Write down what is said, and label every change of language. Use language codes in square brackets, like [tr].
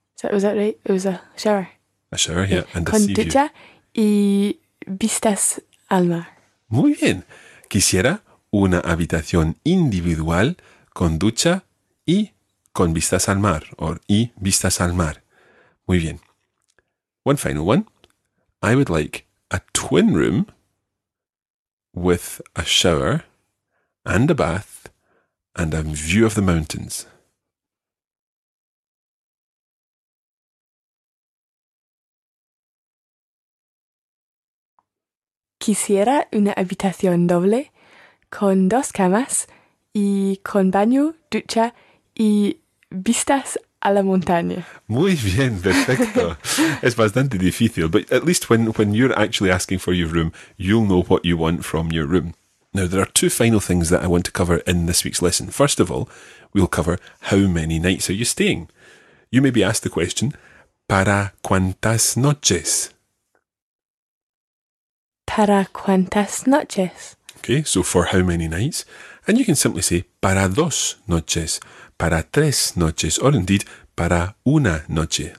[en] Was that right? It was a shower. A shower, yeah. And [es] con [en] a sea [es] ducha [en] view. [es] Y vistas al mar. Muy bien. Quisiera una habitación individual con ducha y con vistas al mar. [en] Or [es] y vistas al mar. Muy bien. [en] One final one. I would like a twin room with a shower and a bath and a view of the mountains. [es] Quisiera una habitación doble con dos camas y con baño, ducha y vistas a la montaña. Muy bien, perfecto. Es bastante difícil, [en] but at least when you're actually asking for your room, you'll know what you want from your room. Now, there are two final things that I want to cover in this week's lesson. First of all, we'll cover how many nights are you staying? You may be asked the question, [es] ¿Para cuántas noches? ¿Para cuántas noches? [en] Okay, so for how many nights? And you can simply say, [es] ¿Para dos noches? ¿Para tres noches? [en] Or indeed, [es] ¿Para una noche?